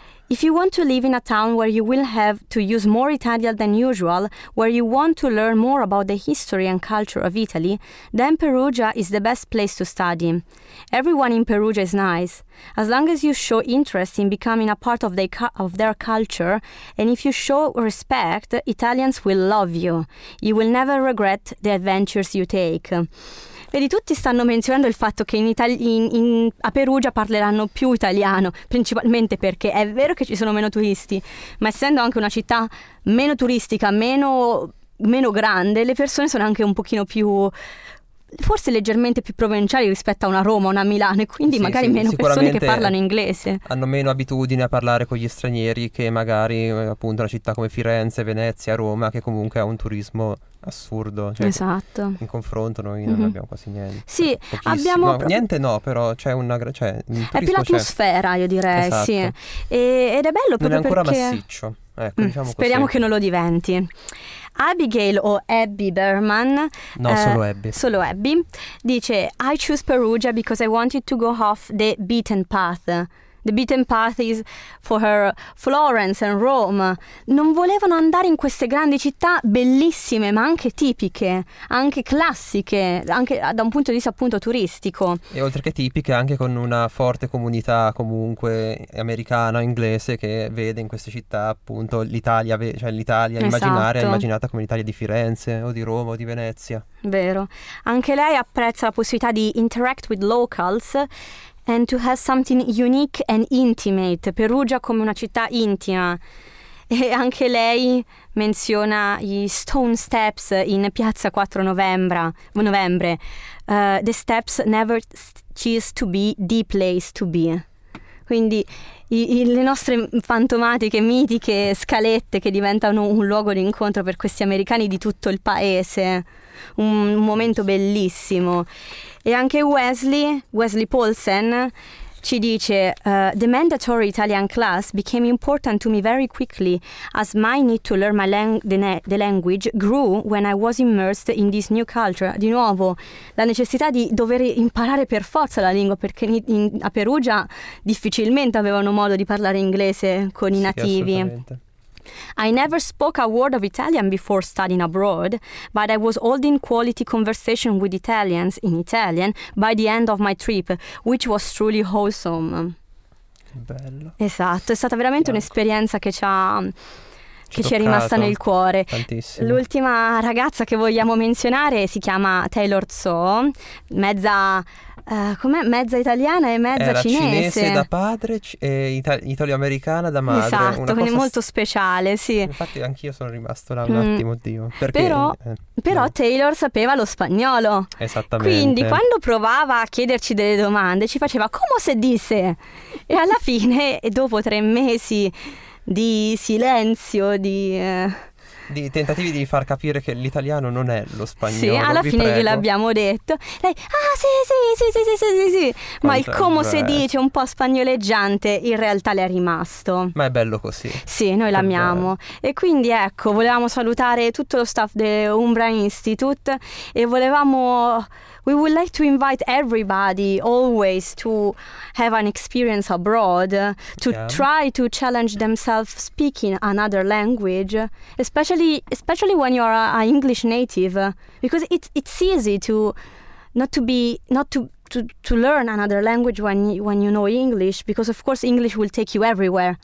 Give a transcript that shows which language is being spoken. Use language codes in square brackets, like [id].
[en] If you want to live in a town where you will have to use more Italian than usual, where you want to learn more about the history and culture of Italy, then Perugia is the best place to study. Everyone in Perugia is nice. As long as you show interest in becoming a part of their culture, and if you show respect, Italians will love you. You will never regret the adventures you take. [it] Vedi, tutti stanno menzionando il fatto che a Perugia parleranno più italiano, principalmente perché è vero che ci sono meno turisti, ma essendo anche una città meno turistica, meno grande, le persone sono anche un pochino più, forse leggermente più provinciali rispetto a una Roma o una Milano, e quindi sì, magari sì, meno persone che parlano inglese. Hanno meno abitudine a parlare con gli stranieri che magari appunto una città come Firenze, Venezia, Roma, che comunque ha un turismo assurdo, cioè, esatto, in confronto noi non abbiamo quasi niente. Sì, abbiamo niente, no, però c'è una, cioè, è più l'atmosfera, c'è, io direi, esatto, sì, ed è bello proprio non è ancora perché massiccio, ecco, diciamo speriamo così, che non lo diventi. Abigail o Abby Berman, no, solo Abby dice: [en] I choose Perugia because I wanted to go off the beaten path. The beaten path is for her Florence and Rome. [it] Non volevano andare in queste grandi città bellissime, ma anche tipiche, anche classiche, anche da un punto di vista appunto turistico. E oltre che tipiche, anche con una forte comunità comunque americana, inglese, che vede in queste città appunto l'Italia, cioè l'Italia immaginaria, esatto, immaginata come l'Italia di Firenze o di Roma o di Venezia. Vero. Anche lei apprezza la possibilità di [en] interact with locals and to have something unique and intimate. [it] Perugia come una città intima. E anche lei menziona i [en] stone steps [it] in piazza 4 novembre. [en] The steps never cease to be the place to be. [it] Quindi le nostre fantomatiche, mitiche scalette che diventano un luogo di incontro per questi americani di tutto il paese. Un momento bellissimo. E anche Wesley Paulsen ci dice: [en] the mandatory Italian class became important to me very quickly as my need to learn the language grew when I was immersed in this new culture. [it] Di nuovo la necessità di dover imparare per forza la lingua, perché a Perugia difficilmente avevano modo di parlare inglese con sì, i nativi. [en] I never spoke a word of Italian before studying abroad, but I was holding quality conversation with Italians in Italian by the end of my trip, which was truly wholesome. [it] Bello. Esatto, è stata veramente un'esperienza che ci ha ci è rimasta nel cuore. Tantissimo. L'ultima ragazza che vogliamo menzionare si chiama Taylor Tso, mezza... com'è? Mezza italiana e mezza cinese. Cinese da padre e italo-americana da madre. Esatto, quindi molto speciale, sì. Infatti anch'io sono rimasto là un attimo, oddio. Perché, però Taylor sapeva lo spagnolo. Esattamente. Quindi quando provava a chiederci delle domande ci faceva come se disse. E alla fine, dopo 3 mesi di silenzio, di tentativi di far capire che l'italiano non è lo spagnolo. Sì, alla fine gliel'abbiamo detto. Lei, ah sì. Ma il come se dice un po' spagnoleggiante in realtà le è rimasto. Ma è bello così. Sì, noi l'amiamo. E quindi ecco, volevamo salutare tutto lo staff dell'Umbra Institute e volevamo... [en] We would like to invite everybody always to have an experience abroad, to try to challenge themselves speaking another language, especially when you are an English native, because it's easy to not to learn another language when you know English, because of course English will take you everywhere.